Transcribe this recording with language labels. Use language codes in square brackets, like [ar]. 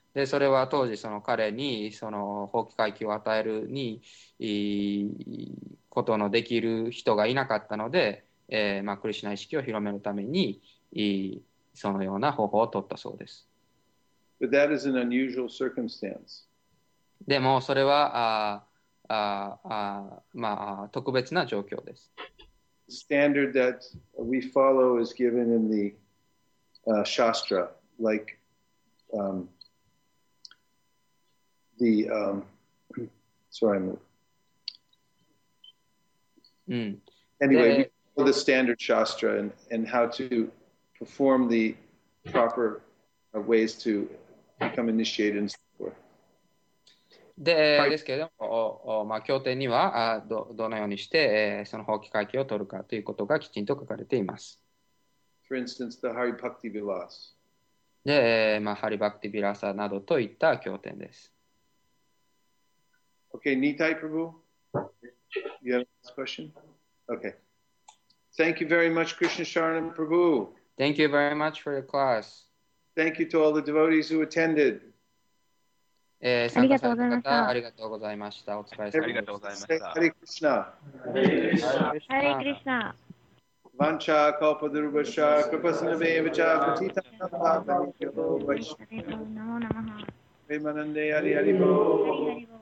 [ja] で、それは当時その彼にその法華経を与えるにいいことのできる人がいなかったので、クリシュナ意識を広めるためにそのような方法を取ったそうです。 [en] But that is an unusual circumstance. [ja] でもそれはまあ特別な状況です。 [en] The standard that we follow is given in the Shastra, like the sorry, anyway, [ja] で、 [en] we follow the standard Shastra and how to perform the proper ways to become initiated and so forth. [ja] で、ですけれども、まあ、教典にはどのようにして、その法規改起を取るかということがきちんと書かれています。 [en] For instance, the Hari Bhakti Vilas. [ja] で、まあ、ハリバクティビラサなどといった教典です。 [en] Okay, Nitai Prabhu? You have a last question? Okay. Thank you very much, Krishna Sharanam Prabhu. Thank you very much for your class. Thank you to all the devotees who attended. [ja] 参加された方、ありがとうございました。お疲れ様でした。ありがとうございました。ハリクリシナ。ハリクリシナ。ヴァンチャーカーパドルバシャー、クパスナベーヴァチャー、クティタナパーバニキャボーバシャー。ナモナマハ。ヴァンマンデーアリアリボ